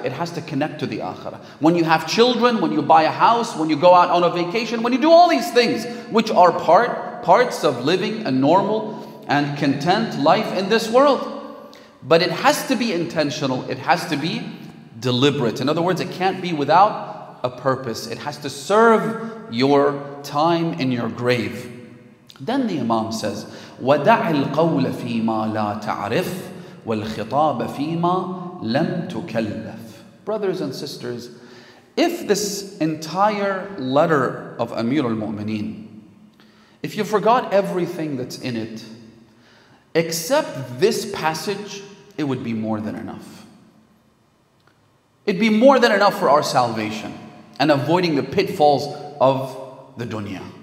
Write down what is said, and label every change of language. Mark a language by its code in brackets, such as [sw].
[en] It has to connect to the akhirah. When you have children, when you buy a house, when you go out on a vacation, when you do all these things, which are parts of living a normal and content life in this world. But it has to be intentional. It has to be deliberate. In other words, it can't be without a purpose. It has to serve your time in your grave. [ar] Then the Imam says, وَدَعِ الْقَوْلَ فِي مَا لَا تَعْرِفْ وَالْخِطَابَ فِي مَا لَمْ تُكَلَّفْ. [en] Brothers and sisters, if this entire letter of Amir al-Mu'mineen, if you forgot everything that's in it, except this passage, it would be more than enough. It'd be more than enough for our salvation and avoiding the pitfalls of the dunya.